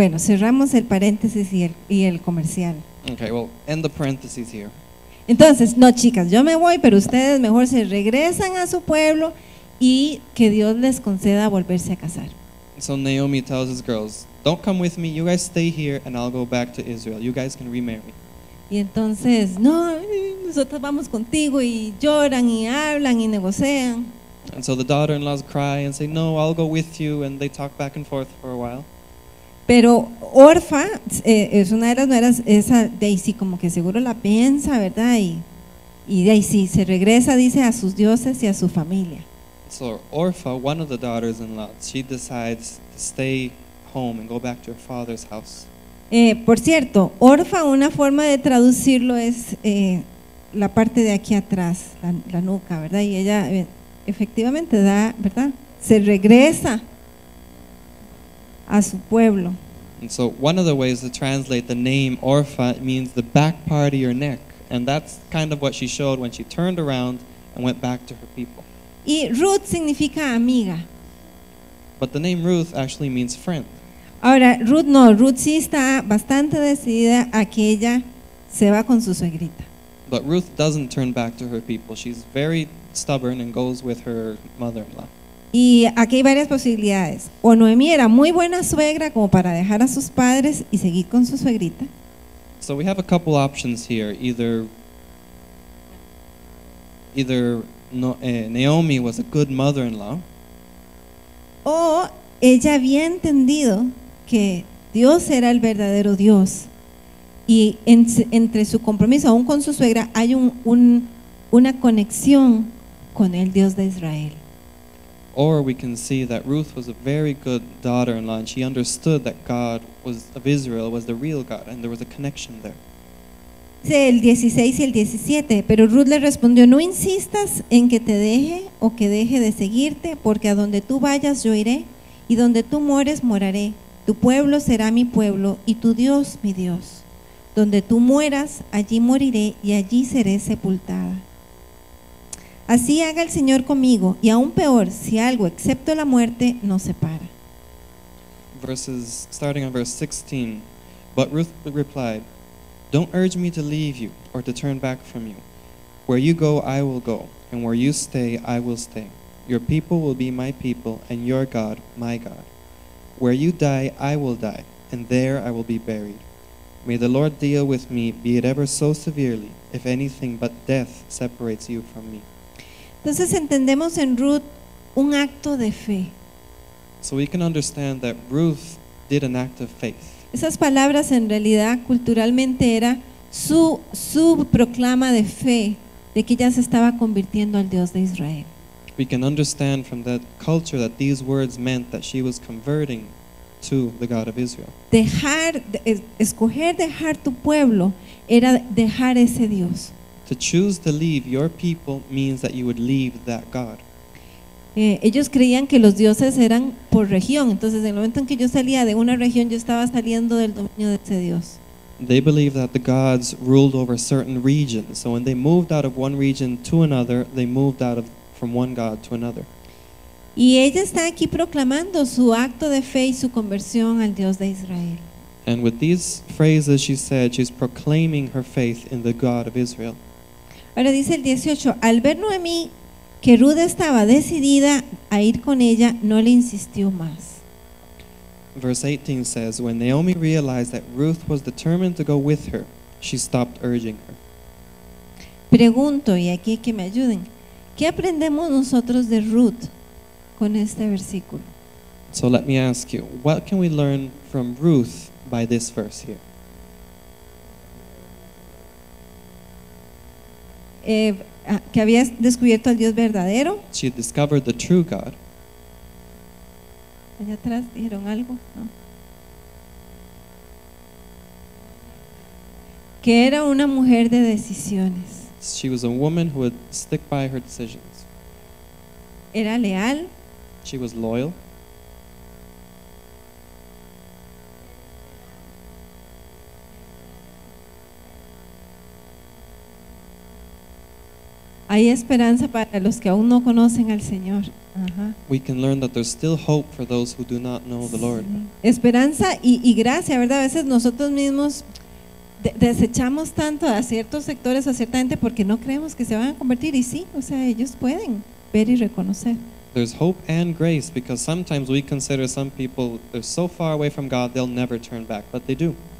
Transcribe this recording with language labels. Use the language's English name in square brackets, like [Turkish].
[Spanish] Bueno, cerramos el paréntesis y el comercial. [English] Okay, well, end the parentheses here. [Spanish] Entonces, no, chicas, yo me voy, pero ustedes mejor se regresan a su pueblo y que Dios les conceda volverse a casar. [English] So Naomi tells his girls, don't come with me, you guys stay here and I'll go back to Israel. You guys can remarry. [Spanish] Y entonces, no, nosotros vamos contigo y lloran y hablan y negocian. [English] And so the daughter-in-laws cry and say, no, I'll go with you, and they talk back and forth for a while. [Spanish] Pero Orfa, es una de las nueras, esa Daisy como que seguro la piensa, ¿verdad? Y Daisy se regresa, dice, a sus dioses y a su familia. [English] So Orfa, one of the daughters-in-law, she decides to stay home and go back to her father's house. [Spanish] Por cierto, Orfa, una forma de traducirlo es la parte de aquí atrás, la nuca, ¿verdad? Y ella efectivamente da, ¿verdad? Se regresa a su pueblo. [English] And so one of the ways to translate the name Orpha means the back part of your neck, and that's kind of what she showed when she turned around and went back to her people. [Spanish] Y Ruth significa amiga. [English] But the name Ruth actually means friend. [Spanish] Ahora, Ruth no, Ruth sí está bastante decidida a que ella se va con su suegrita. [English] But Ruth doesn't turn back to her people. She's very stubborn and goes with her mother-in-law. [Spanish] Y aquí hay varias posibilidades. O Noemí era muy buena suegra como para dejar a sus padres y seguir con su suegrita. [English] So we have a couple options here. Either Naomi was a good mother-in-law. [Spanish] O ella había entendido que Dios era el verdadero Dios. Y entre su compromiso aún con su suegra hay una conexión con el Dios de Israel. [English] Or we can see that Ruth was a very good daughter-in-law and she understood that God was of Israel was the real God and there was a connection there. [Spanish] Dice el 16 y el 17, pero Ruth le respondió, no insistas en que te deje o que deje de seguirte, porque a donde tú vayas yo iré y donde tú mueres moraré. Tu pueblo será mi pueblo y tu Dios mi Dios. Donde tú mueras, allí moriré y allí seré sepultada. Así haga el Señor conmigo, y aún peor, si algo excepto la muerte nos separa. [English] Starting on verse 16. But Ruth replied, don't urge me to leave you or to turn back from you. Where you go, I will go, and where you stay, I will stay. Your people will be my people, and your God, my God. Where you die, I will die, and there I will be buried. May the Lord deal with me, be it ever so severely, if anything but death separates you from me. [Spanish] Entonces entendemos en Ruth un acto de fe. [English] So we can understand that Ruth did an act of faith. [Spanish] Esas palabras en realidad culturalmente era su proclama de fe, de que ella se estaba convirtiendo al Dios de Israel. [English] We can understand from that culture that these words meant that she was converting to the God of Israel. [Spanish] Escoger dejar tu pueblo era dejar ese Dios. [English] To choose to leave your people means that you would leave that God. [Spanish] Ellos creían que los dioses eran por región. Entonces, en el momento en que yo salía de una región, yo estaba saliendo del dominio de ese Dios. [English] They believed that the gods ruled over certain regions. So when they moved out of one region to another, they moved out of from one God to another. [Spanish] Y ella está aquí proclamando su acto de fe y su conversión al Dios de Israel. [English] And with these phrases she said, she's proclaiming her faith in the God of Israel. [Spanish] Ahora dice el 18, al ver Noemí que Ruth estaba decidida a ir con ella, no le insistió más. [English] Verse 18 says, when Naomi realized that Ruth was determined to go with her, she stopped urging her. [Spanish] Pregunto, y aquí que me ayuden, ¿qué aprendemos nosotros de Ruth con este versículo? [English] So let me ask you, what can we learn from Ruth by this verse here? [Spanish] Que había descubierto al Dios verdadero. [English] She discovered the true God. [Spanish] Allá atrás dijeron algo, ¿no? Que era una mujer de decisiones. [English] She was a woman who would stick by her decisions. [Spanish] Era leal. [English] She was loyal. [Spanish] Hay esperanza para los que aún no conocen al Señor. [English] We can learn that there's still hope for those who do not know the Lord. [Spanish] Esperanza y gracia, ¿verdad? A veces nosotros mismos desechamos tanto a ciertos sectores, a cierta gente, porque no creemos que se van a convertir. Y sí, o sea, ellos pueden ver y reconocer. [English] There's hope and grace because sometimes we consider some people they're so far away from God they'll never turn back, but they do.